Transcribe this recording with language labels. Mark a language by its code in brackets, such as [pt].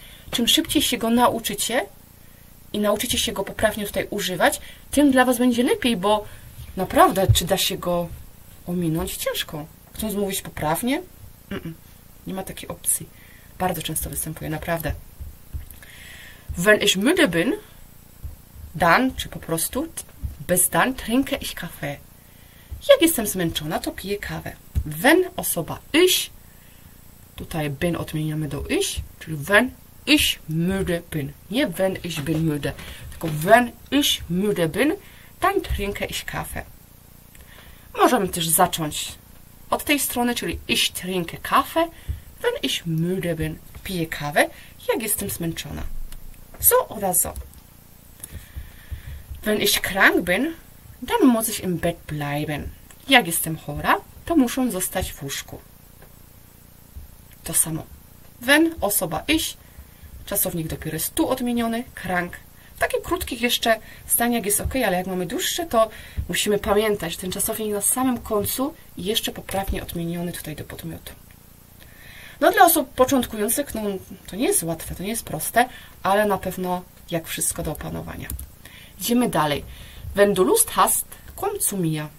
[pl] Czym szybciej się go nauczycie i nauczycie się go poprawnie tutaj używać, tym dla was będzie lepiej, bo naprawdę, czy da się go ominąć? Ciężko. Chcąc mówić poprawnie? Nie ma takiej opcji. Bardzo często występuje, naprawdę. [de] Wenn ich müde bin, dann, [pl] czy po prostu bez [de] dann, trinke ich Kaffee. [pl] Jak jestem zmęczona, to piję kawę. [de] Wenn [pl] osoba [de] ich. [pl] Tutaj [de] bin [pl] odmieniamy do [de] ich, [pl] czyli [de] wenn ich müde bin. Nie wenn ich bin müde, tylko wenn ich müde bin, dann trinke ich Kaffee. [pl] Możemy też zacząć od tej strony, czyli [de] ich trinke Kaffee, wenn ich müde bin. [pl] Piję kawę, jak jestem zmęczona. [de] So oder so. Wenn ich krank bin, dann muss ich im Bett bleiben. [pl] Jak jestem chora, to muszę zostać w łóżku. To samo. Wenn, osoba, ich. Czasownik dopiero jest tu odmieniony. Krank. W takich krótkich jeszcze zdaniach jest ok, ale jak mamy dłuższe, to musimy pamiętać, ten czasownik na samym końcu jeszcze poprawnie odmieniony tutaj do podmiotu. No dla osób początkujących, no to nie jest łatwe, to nie jest proste, ale na pewno jak wszystko do opanowania. Idziemy dalej. [de] Wenn du Lust hast, komm zu mir.